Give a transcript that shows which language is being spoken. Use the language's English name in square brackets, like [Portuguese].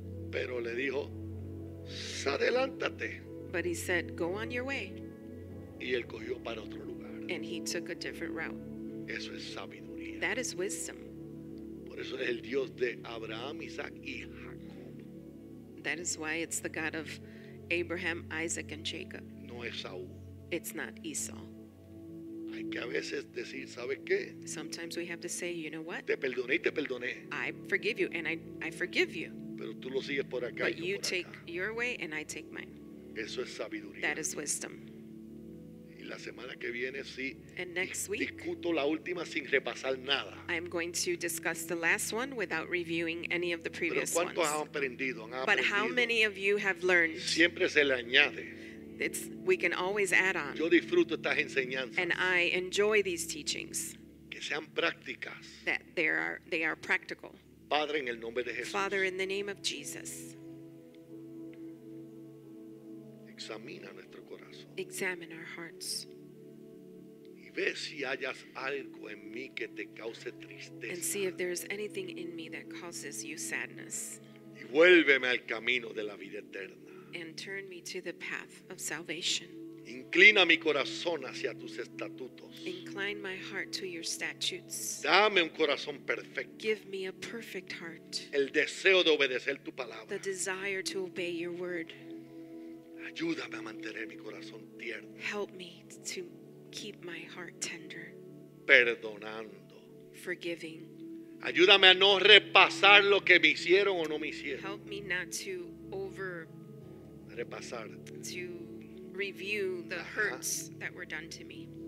[Spanish] Pero le dijo, adelántate. [English] But he said, go on your way. [Spanish] Y él cogió para otro lugar. [English] And he took a different route. [Spanish] Eso es sabiduría. [English] That is wisdom. [Spanish] Por eso es el Dios de Abraham, Isaac y Jacob. [English] That is why it's the God of Abraham, Isaac and Jacob. [Spanish] No es Saúl. [English] It's not Esau. [Spanish] Hay que a veces decir, ¿sabes qué? [English] Sometimes we have to say, you know what? [Spanish] Te perdoné y te perdoné. [English] I forgive you and I forgive you. [Spanish] Pero tú lo sigues por acá [English] but [Spanish] y yo [English] you [Spanish] por [English] take [Spanish] acá. [English] Your way and I take mine. [Spanish] Eso es sabiduría. [English] That is wisdom. [Spanish] La semana que viene sí discuto la última sin repasar nada. [English] I'm going to discuss the last one without reviewing any of the previous ones. [Spanish] ¿Pero cuántos han aprendido? ¿Han aprendido? [English] But how many of you have learned? [Spanish] Siempre se le añade. [English] It's, we can always add on. [Spanish] Yo disfruto estas enseñanzas. [English] And I enjoy these teachings. [Spanish] Que sean prácticas. [English] That they are practical. [Spanish] Padre, en el nombre de Jesús. [English] Father, in the name of Jesus. [Spanish] Examina nuestro corazón. [English] Examine our hearts. [Spanish] Y ve si hayas algo en mí que te cause tristeza. [English] And see if there is anything in me that causes you sadness. [Spanish] Y vuélveme al camino de la vida eterna. [English] And turn me to the path of salvation. [Spanish] Inclina mi corazón hacia tus estatutos. [English] Incline my heart to your statutes. [Spanish] Dame un corazón perfecto. [English] Give me a perfect heart. [Spanish] El deseo de obedecer tu palabra. [English] The desire to obey your word. [Spanish] Ayúdame a mantener mi corazón tierno. [English] Help me to keep my heart tender. [Spanish] Perdonando. [English] Forgiving. [Spanish] Ayúdame a no repasar lo que me hicieron o no me hicieron. [English] Help me not to over [Spanish] repasar. [English] To review the hurts that were done to me.